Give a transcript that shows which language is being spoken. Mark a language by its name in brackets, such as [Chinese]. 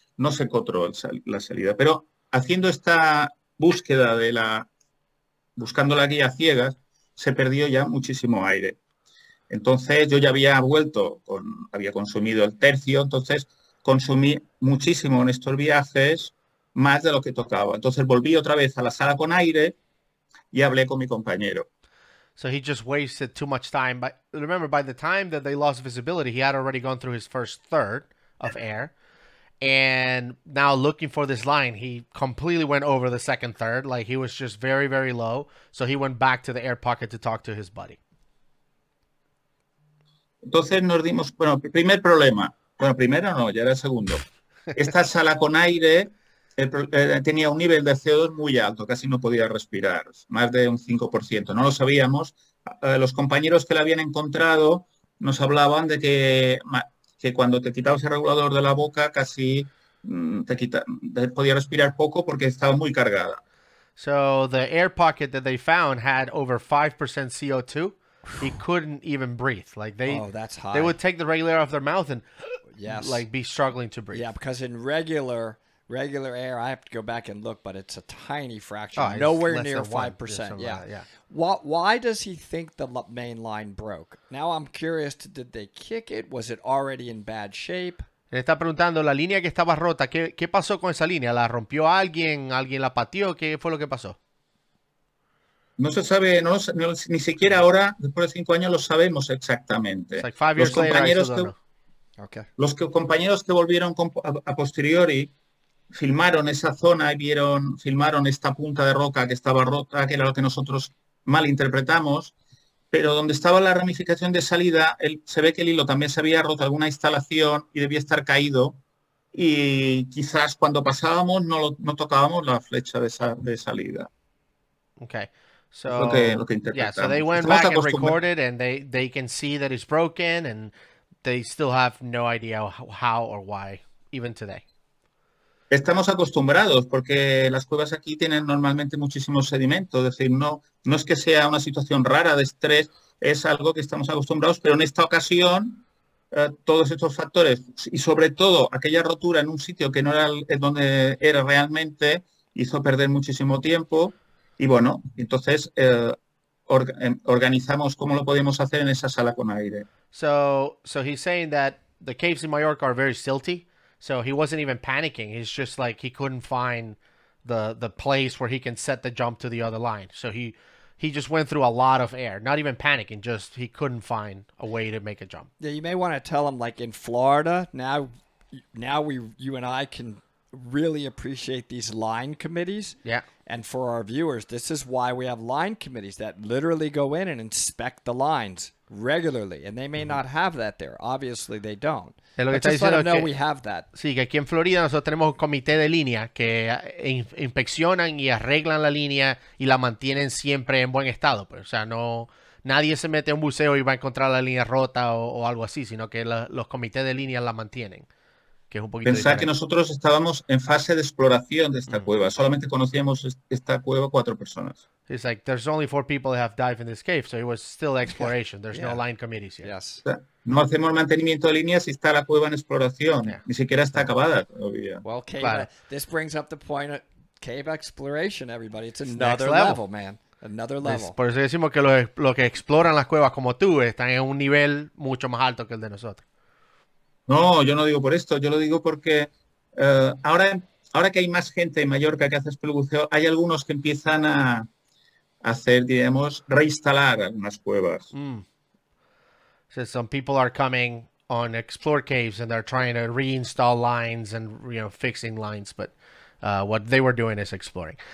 [Spanish] No se encontró la salida, pero haciendo esta búsqueda de la, buscando la guía ciegas, se perdió ya muchísimo aire. Entonces yo ya había vuelto, había consumido el tercio, entonces consumí muchísimo en estos viajes, más de lo que tocaba. Entonces volví otra vez a la sala con aire y hablé con mi compañero. [English] So he just wasted too much time. But remember, by the time that they lost visibility, he had already gone through his first third of air. And now looking for this line, he completely went over the second third. Like he was just very, very low. So he went back to the air pocket to talk to his buddy. [Spanish] Entonces nos dimos, bueno, primer problema. Bueno, primero no, ya era el segundo. Esta sala con aire tenía un nivel de CO2 muy alto, casi no podía respirar, más de un 5%. No lo sabíamos. Los compañeros que la habían encontrado nos hablaban de que... que cuando te quitabas el regulador de la boca casi podía respirar poco porque estaba muy cargada. [English] So the air pocket that they found had over 5% CO2. He couldn't even breathe. Like that's high. They would take the regulator out of their mouth and yes. like be struggling to breathe. Yeah, because in regular regular air, I have to go back and look, but it's a tiny fraction, nowhere near 5%. Why does he think the main line broke? Now I'm curious, did they kick it? Was it already in bad shape? [Spanish] Le está preguntando, la línea que estaba rota, ¿qué pasó con esa línea? ¿La rompió alguien? ¿Alguien la pateó? ¿Qué fue lo que pasó? No se sabe, no, ni siquiera ahora, después de 5 años, lo sabemos exactamente. [English] Like 5 years [Spanish] los compañeros [English] later, [Spanish] compañeros que volvieron a posteriori filmaron esa zona y vieron, filmaron esta punta de roca que estaba rota, que era lo que nosotros malinterpretamos, pero donde estaba la ramificación de salida, se ve que el hilo también se había roto alguna instalación y debía estar caído, y quizás cuando pasábamos no tocábamos la flecha de salida. [English] Okay. So, so they went back and recorded, and they can see that it's broken, and they still have no idea how or why, even today. [Spanish] Estamos acostumbrados, porque las cuevas aquí tienen normalmente muchísimo sedimento. Es decir, no es que sea una situación rara de estrés, es algo que estamos acostumbrados, pero en esta ocasión, todos estos factores, y sobre todo aquella rotura en un sitio que no era donde era realmente, hizo perder muchísimo tiempo. Y bueno, entonces organizamos cómo lo podemos hacer en esa sala con aire. [English] So he's saying that the caves in Mallorca are very silty, so he wasn't even panicking. He's just like he couldn't find the place where he can set the jump to the other line. So he just went through a lot of air, not even panicking, just he couldn't find a way to make a jump. Yeah, you may want to tell him, like, in Florida, now you and I can really appreciate these line committees. Yeah. And for our viewers, this is why we have line committees that literally go in and inspect the lines regularly. And they may not have that there. Obviously, they don't. [Spanish] Lo que [English] just [Spanish] está diciendo [English] let them know [Spanish] que, [English] we have that. [Spanish] Sí, que aquí en Florida nosotros tenemos un comité de línea que inspeccionan y arreglan la línea y la mantienen siempre en buen estado. Pero, o sea, no nadie se mete a un buceo y va a encontrar la línea rota o algo así, sino que los comités de línea la mantienen. Pensar que nosotros estábamos en fase de exploración de esta cueva. Solamente conocíamos esta cueva 4 personas. [English] It's like there's only 4 people that have dived in this cave, so it was still exploration. There's no line committees yet. Yes. [Spanish] No hacemos mantenimiento de líneas si está la cueva en exploración. [English] Yeah. [Spanish] Ni siquiera está acabada todavía. [English] Well, cave, [Spanish] claro. [English] This brings up the point of cave exploration, everybody. It's another level, man. Another level. [Spanish] Por eso decimos que los que exploran las cuevas como tú están en un nivel mucho más alto que el de nosotros. No, yo no digo por esto. Yo lo digo porque ahora que hay más gente en Mallorca que hace espelbuceo, hay algunos que empiezan a hacer, digamos, reinstalar algunas cuevas. [English] So some people are coming on explore caves and they're trying to reinstall lines and, you know, fixing lines, but what they were doing is exploring.